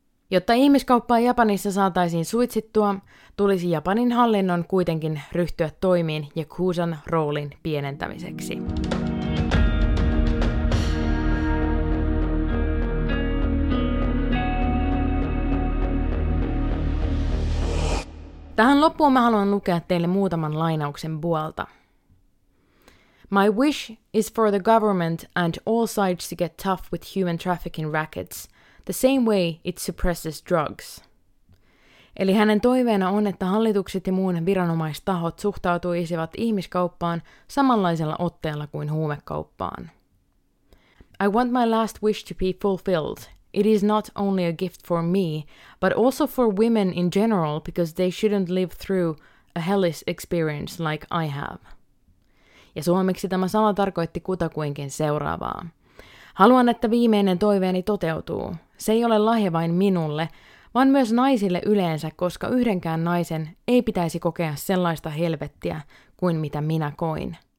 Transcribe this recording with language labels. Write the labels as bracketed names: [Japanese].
[Finnish] Jotta ihmiskauppaa Japanissa saataisiin suitsittua, tulisi Japanin hallinnon kuitenkin ryhtyä toimiin Yakuzan roolin pienentämiseksi. Tähän loppuun mä haluan lukea teille muutaman lainauksen Boalta. [English] My wish is for the government and all sides to get tough with human trafficking rackets, the same way it suppresses drugs. [Finnish] Eli hänen toiveena on, että hallitukset ja muun viranomaistahot suhtautuisivat ihmiskauppaan samanlaisella otteella kuin huumekauppaan. [English] I want my last wish to be fulfilled. It is not only a gift for me, but also for women in general, because they shouldn't live through a hellish experience like I have. [Finnish] Ja suomeksi tämä sana tarkoitti kutakuinkin seuraavaa. Haluan, että viimeinen toiveeni toteutuu. Se ei ole lahja vain minulle, vaan myös naisille yleensä, koska yhdenkään naisen ei pitäisi kokea sellaista helvettiä kuin mitä minä koin.